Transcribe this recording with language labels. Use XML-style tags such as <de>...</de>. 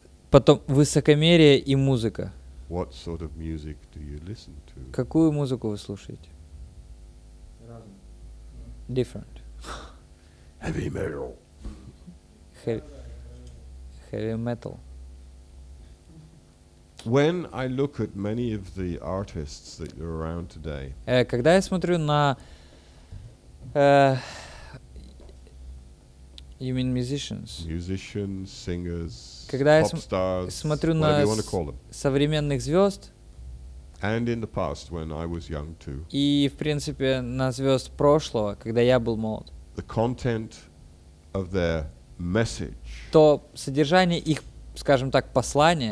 <ru>Потом высокомерие и музыка.</ru> <en>What sort of music do you listen to?</en> <ru>Какую музыку вы слушаете? Разную.</ru> <en>Different. Heavy metal. Heavy metal. When I look at many of the artists that are around today.</en> <ru>Когда я смотрю на</ru> <en>you mean musicians? Musicians, singers,</en> <ru>когда</ru> <en>pop stars.</en> <ru>Смотрю на</ru> <en>whatever you want to call them.</en> <ru>Современных звёзд.</ru> <en>And in the past when I was young too.</en> <ru>И в принципе на звёзд прошлого, когда я был молод.</ru> <en>The content of their message.</en> <ru>То содержание их, скажем так, послание</ru>